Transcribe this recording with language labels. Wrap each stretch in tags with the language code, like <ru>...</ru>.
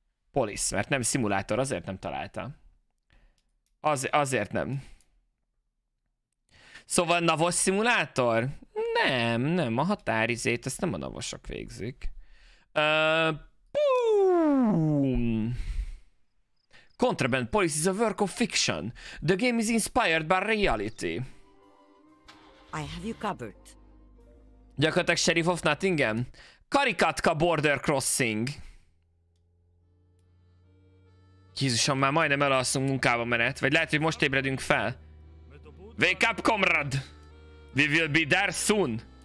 <hu>Police, mert nem szimulátor, azért nem találta. Azért nem. Szóval navos szimulátor? Nem, a határizét, ezt nem a navosok végzik.</hu> <en>Boom! Contraband Police is a work of fiction. The game is inspired by reality. I have you covered.</en> <hu>Gyakorlatilag Sheriff of Nottingham? Karikatka Border Crossing. Jézusom, már majdnem elalszunk munkába menet. Vagy lehet, hogy most ébredünk fel.</hu> <en>Wake up, comrade! We will be there soon!</en>